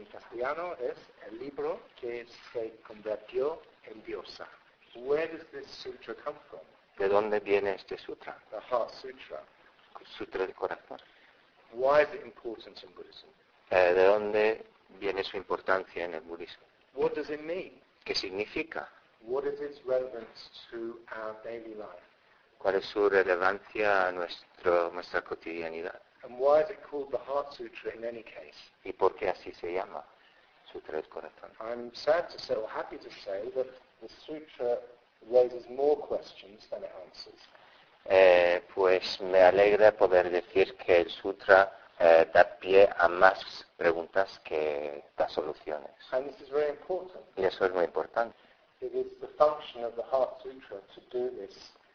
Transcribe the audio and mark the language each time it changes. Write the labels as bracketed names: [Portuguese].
[Spanish] castellano es el libro que se convirtió en diosa. [English] Where does this sutra come from? [Spanish] ¿De dónde viene este sutra? [English] The heart sutra. [Spanish] Sutra del corazón. [English] Why is it important in Buddhism? [Spanish] ¿De dónde viene su importancia en el budismo? [English] What does it mean? [Spanish] ¿Qué significa? [English] What is its relevance to our daily life? [Spanish] ¿Cuál es su relevancia a nuestra cotidianidad? [English] And why is it called the Heart Sutra in any case? [Spanish] ¿Y por qué así se llama Sutra del Corazón? [English] I'm sad to say, or happy to say, that the sutra raises more questions than it answers. [Spanish] Pues me alegra poder decir que el sutra da pie a más preguntas que da soluciones. [English] And this is very important. [Spanish] Y eso es muy importante. [English] It is the function of the Heart Sutra to do this.